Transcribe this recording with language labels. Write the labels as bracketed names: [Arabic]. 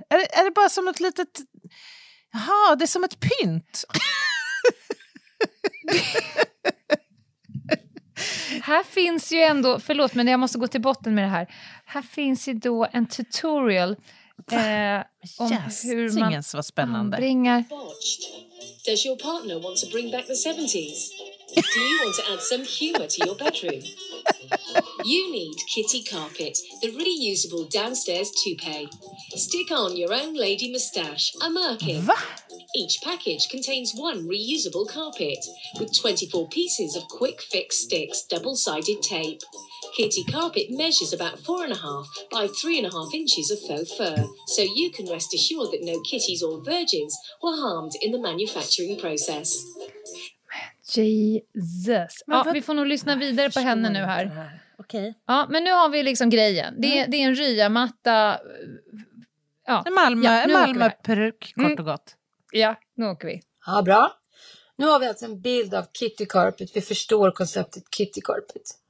[Swedish] Är det bara som ett litet, jaha, det är som ett pynt. Här finns ju ändå, förlåt men jag måste gå till botten med det här. Här finns ju då en tutorial om yes, hur man anbringar. Var spännande. Anbringar. [English] Does your partner want to bring back the 70s? Do you want to add some humor to your bedroom? You need Kitty Carpet, the reusable downstairs toupee. Stick on your own lady moustache, a merkin. Va? Each package contains one reusable carpet with 24 pieces of quick fix sticks, double-sided tape. Kitty Carpet measures about 4.5 by 3.5 inches of faux fur, so you can rest assured that no kitties or virgins were harmed in the manufacturing process. Jesus. [Swedish] Ja, vi får nog lyssna vidare på henne nu här. Okej. Ja, men nu har vi liksom grejen. Det är en ryamatta. Ja. En Malmöperuk, kort och gott. Ja, nu åker vi. Ja, bra. Nu har vi alltså en bild av Kitty Carpet. Vi förstår konceptet Kitty Carpet.